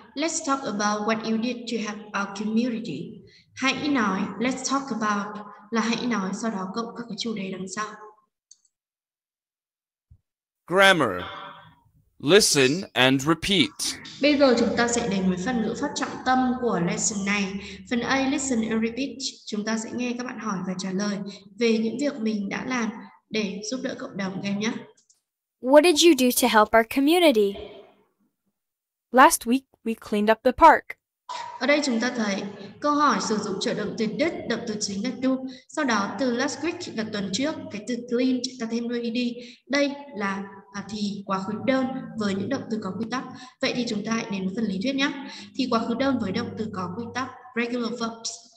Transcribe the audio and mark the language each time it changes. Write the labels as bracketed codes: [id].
[en] Let's talk about what you did to help our community. [vi] Hãy nói, [en] let's talk about, [vi] là hãy nói, sau đó cộng các cái chủ đề đằng sau. [en] Grammar. Listen and repeat. [vi] Bây giờ chúng ta sẽ đến với phần ngữ pháp trọng tâm của lesson này. Phần A, [en] listen and repeat. [vi] Chúng ta sẽ nghe các bạn hỏi và trả lời về những việc mình đã làm để giúp đỡ cộng đồng em nhé. [en] What did you do to help our community? Last week, we cleaned up the park. [vi] Ở đây chúng ta thấy câu hỏi sử dụng trợ động từ did, động từ chính là do. Sau đó từ last week là tuần trước, cái từ clean ta thêm đuôi ed. Đây là thì quá khứ đơn với những động từ có quy tắc. Vậy thì chúng ta hãy đến phần lý thuyết nhé. Thì quá khứ đơn với động từ có quy tắc regular verbs.